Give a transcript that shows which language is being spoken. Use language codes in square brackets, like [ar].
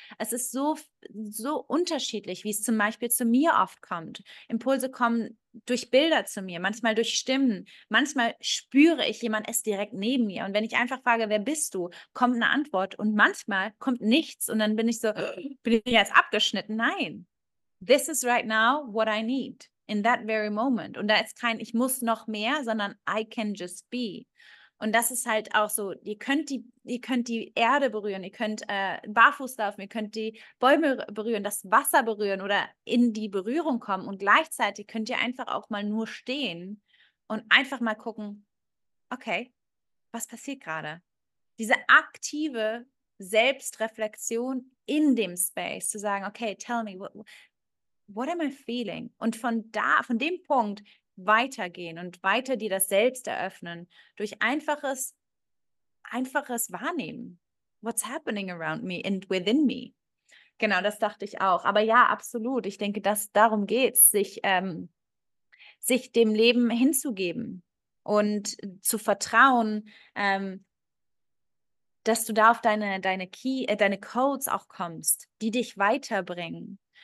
[de] Es ist so, so unterschiedlich, wie es zum Beispiel zu mir oft kommt. Impulse kommen durch Bilder zu mir, manchmal durch Stimmen. Manchmal spüre ich, jemand ist direkt neben mir. Und wenn ich einfach frage, wer bist du, kommt eine Antwort. Und manchmal kommt nichts und dann bin ich so, bin ich jetzt abgeschnitten? Nein. [en] This is right now what I need in that very moment. [de] Und da ist kein, ich muss noch mehr, sondern [en] I can just be. [de] Und das ist halt auch so, ihr könnt die Erde berühren, ihr könnt barfuß laufen, ihr könnt die Bäume berühren, das Wasser berühren oder in die Berührung kommen. Und gleichzeitig könnt ihr einfach auch mal nur stehen und einfach mal gucken, okay, was passiert gerade? Diese aktive Selbstreflexion in dem Space, zu sagen, okay, [en] tell me, what am I feeling? [de] Und von dem Punkt weitergehen und weiter dir das selbst eröffnen durch einfaches Wahrnehmen. [en] What's happening around me and within me? [de] Genau, das dachte ich auch. Aber ja, absolut. Ich denke, dass darum geht es, sich dem Leben hinzugeben und zu vertrauen, dass du da auf deine Codes auch kommst, die dich weiterbringen.